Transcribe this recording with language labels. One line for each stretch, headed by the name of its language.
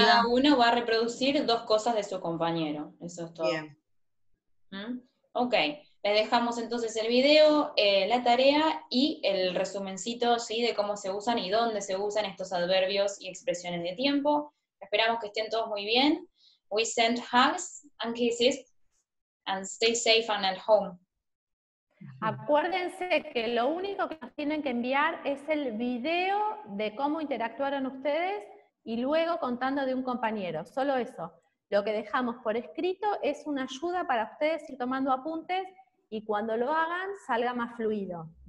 Spanish: Cada uno va a reproducir 2 cosas de su compañero. Eso es todo. Bien. Ok. Les dejamos entonces el video, la tarea y el resumencito, ¿sí?, de cómo se usan y dónde se usan estos adverbios y expresiones de tiempo. Esperamos que estén todos muy bien.
English: We send hugs and kisses and stay safe and at home.
Spanish: Acuérdense que lo único que nos tienen que enviar es el video de cómo interactuaron ustedes y luego contando de un compañero. Solo eso. Lo que dejamos por escrito es una ayuda para ustedes ir tomando apuntes y cuando lo hagan salga más fluido.